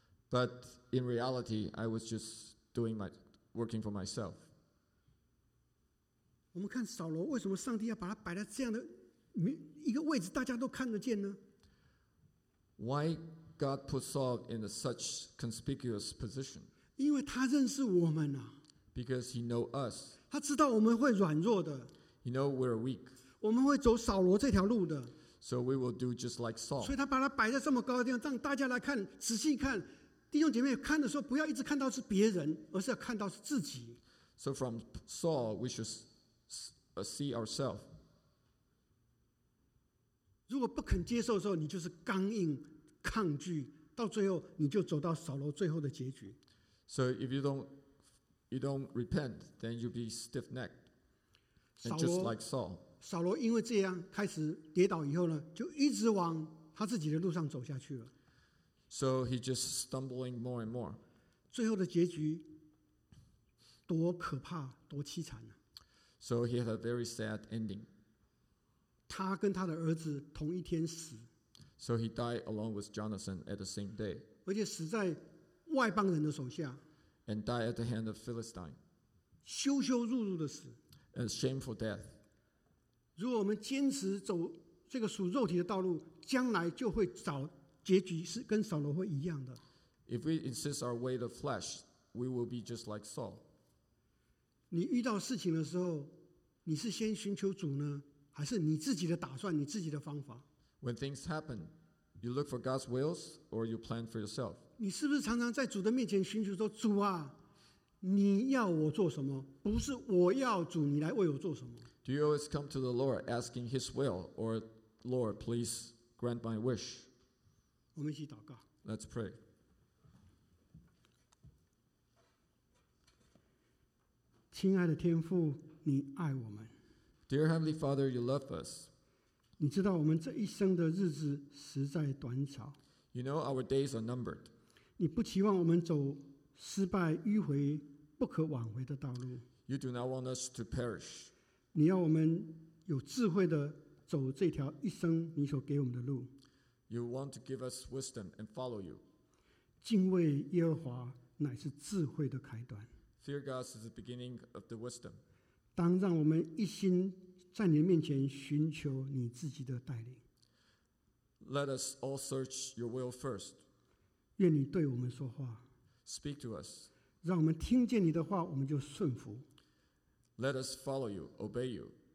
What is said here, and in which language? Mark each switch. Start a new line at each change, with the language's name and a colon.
English: But in reality, I was just doing my working for myself.
Chinese: 我们看扫罗为什么上帝要把他摆在这样的一个位置，大家都看得见呢？
English: Why God put Saul in a such conspicuous position?
Chinese: 因为他认识我们啊。
English: Because he knows us.
Chinese: 他知道我们会软弱的。
English: He knows we're weak.
Chinese: 我们会走扫罗这条路的。
English: So we will do just like Saul.
Chinese: 所以他把他摆在这么高的地方，让大家来看，仔细看。弟兄姐妹看的时候，不要一直看到是别人，而是要看到是自己。
English: So from Saul, we should see ourselves.
Chinese: 如果不肯接受的时候，你就是刚硬、抗拒，到最后你就走到扫罗最后的结局。
English: So if you don't repent, then you'll be stiff-necked, and just like Saul.
Chinese: 扫罗因为这样开始跌倒以后呢，就一直往他自己的路上走下去了。
English: So he just stumbling more and more.
Chinese: 最后的结局多可怕，多凄惨啊。
English: So he had a very sad ending.
Chinese: 他跟他的儿子同一天死。
English: So he died along with Jonathan at the same day.
Chinese: 而且死在外邦人的手下。
English: And died at the hand of Philistine.
Chinese: 羞羞辱辱的死。
English: A shameful death.
Chinese: 如果我们坚持走这个属肉体的道路，将来就会找结局是跟扫罗会一样的。
English: If we insist our way of flesh, we will be just like Saul.
Chinese: 你遇到事情的时候，你是先寻求主呢，还是你自己的打算，你自己的方法？
English: When things happen, you look for God's wills or you plan for yourself.
Chinese: 你是不是常常在主的面前寻求说，主啊，你要我做什么？不是我要主，你来为我做什么？
English: Do you always come to the Lord asking His will, or Lord, please grant my wish?
Chinese: 我们一起祷告。
English: Let's pray.
Chinese: 亲爱的天父，你爱我们。
English: Dear Heavenly Father, you love us.
Chinese: 你知道我们这一生的日子实在短少。
English: You know our days are numbered.
Chinese: 你不期望我们走失败迂回不可挽回的道路。
English: You do not want us to perish.
Chinese: 你要我们有智慧的走这条一生你所给我们的路。
English: You want to give us wisdom and follow you.
Chinese: 敬畏耶和华乃是智慧的开端。
English: Fear God is the beginning of the wisdom.
Chinese: 当让我们一心在你的面前寻求你自己的带领。
English: Let us all search your will first.
Chinese: 愿你对我们说话。
English: Speak to us.
Chinese: 让我们听见你的话，我们就顺服。
English: Let us follow you, obey you.